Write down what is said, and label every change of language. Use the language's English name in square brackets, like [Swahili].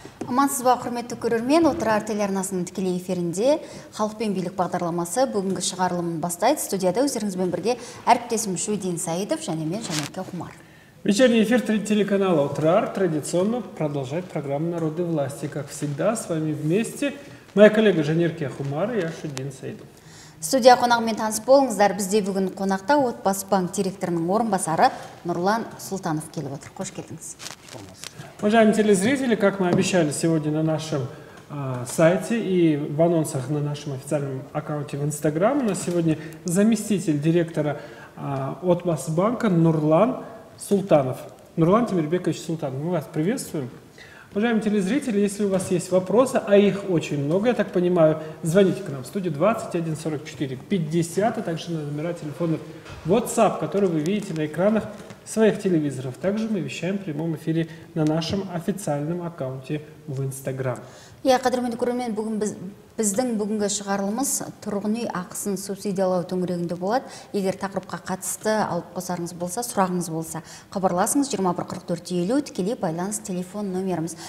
[Kazakh] Амансыз ба, құрметті көрермен, отырар телеарнасының тікелей эфирінде халық пен билік бағдарламасы бүгінгі шығарылымын бастайды. Студияда өздеріңізбен бірге әріптесім Шудин Саидов және мен Жанерке Хумар. [Russian] Вечерний эфир телеканала «Утрар» традиционно продолжает программу «Народы власти». Как всегда, с вами вместе моя коллега Жанерке Хумар и я Шудин Саидов. [Kazakh] Студия қонағымен таныс болыңыздар. Бізде бүгін қонақта Отбасы банк директорының орынбасары Нұрлан Султанов келіп отыр. Қош келдіңіз. [Russian] Уважаемые телезрители, как мы обещали сегодня на нашем сайте и в анонсах на нашем официальном аккаунте в Инстаграм, у нас сегодня заместитель директора Отбасы банка Нұрлан Султанов. Нұрлан Темирбекович Султанов, мы вас приветствуем. Уважаемые телезрители, если у вас есть вопросы, а их очень много, я так понимаю, звоните к нам в студию 21-44-50, а также на номера телефонов WhatsApp, которые вы видите на экранах своих телевизоров. Также мы вещаем в прямом эфире на нашем официальном аккаунте в Instagram. [Kazakh] Я, қадырмен көрімен, бүгін біздің бүгінгі шығарылымыз тұрғын үй ақысын субсидиялау төңірегінде болады. Егер тақырыпқа қатысты алып қосарыңыз болса, сұрағыңыз болса, қабарласыңыз 21-44-50 тікелей байланыс телефон номеріміз.